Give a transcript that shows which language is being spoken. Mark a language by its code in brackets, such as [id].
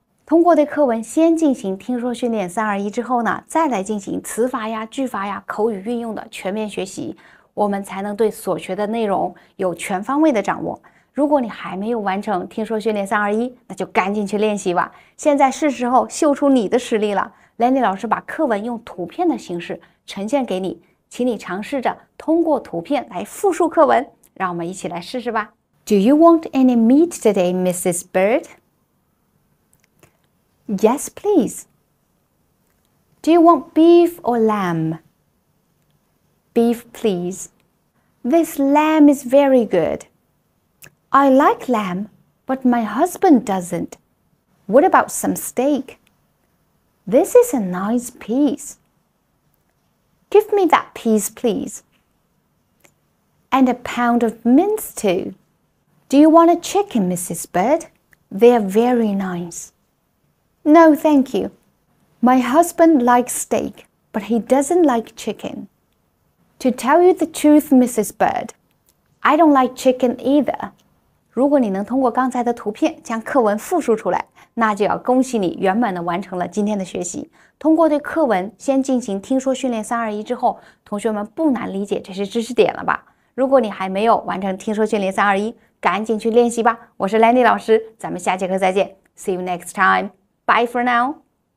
[zh] 通过对课文先进行听说训练321之后呢，再来进行词法呀、句法呀、口语运用的全面学习，我们才能对所学的内容有全方位的掌握。如果你还没有完成听说训练321，那就赶紧去练习吧。现在是时候秀出你的实力了。Lenny 老师把课文用图片的形式呈现给你，请你尝试着通过图片来复述课文。让我们一起来试试吧。 [en] Do you want any meat today, Mrs. Bird? Yes, please. Do you want beef or lamb? Beef, please. This lamb is very good. I like lamb, but my husband doesn't. What about some steak? This is a nice piece. Give me that piece, please. And a pound of mince, too. Do you want a chicken, Mrs. Bird? They're very nice. No, thank you. My husband likes steak, but he doesn't like chicken. To tell you the truth, Mrs. Bird, I don't like chicken either. [zh] 如果你能通过刚才的图片将课文复述出来，那就要恭喜你圆满地完成了今天的学习。通过对课文先进行听说训练321之后，同学们不难理解这些知识点了吧？如果你还没有完成听说训练321，赶紧去练习吧。我是 Lenny 老师，咱们下节课再见。 [en] See you next time. Bye for now.